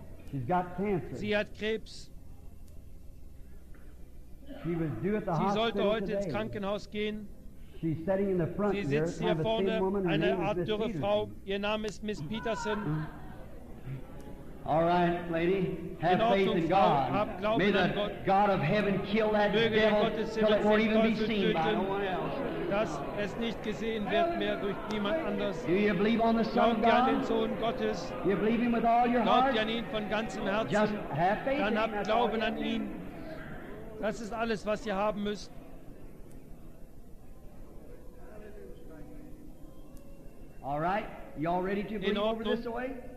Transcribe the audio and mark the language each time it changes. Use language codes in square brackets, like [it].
[en] She's got cancer. [de] Sie hat Krebs. [en] She was due at the [de] sie sollte heute [en] today [de] ins Krankenhaus gehen. [en] She's sitting in the front [de] sie sitzt hier [en] kind of [de] vorne, [en] woman, [de] eine Art dürre Frau. Ihr Name ist Miss Peterson. [en] All right, lady, have faith in God. May the God of heaven kill that devil till it won't even be seen by no one else. [de] Dass es nicht gesehen wird mehr durch niemand anders. [en] Do you believe on the Son of God? [de] Glaubt ihr an den Sohn Gottes? [en] Do you believe him with all your heart? [de] Glaubt ihr an ihn von ganzem Herzen? [en] Just have faith in him. [de] Dann habt Glauben an ihn. Das ist alles, was ihr haben müsst. [en] All right, you all ready to bring over this way?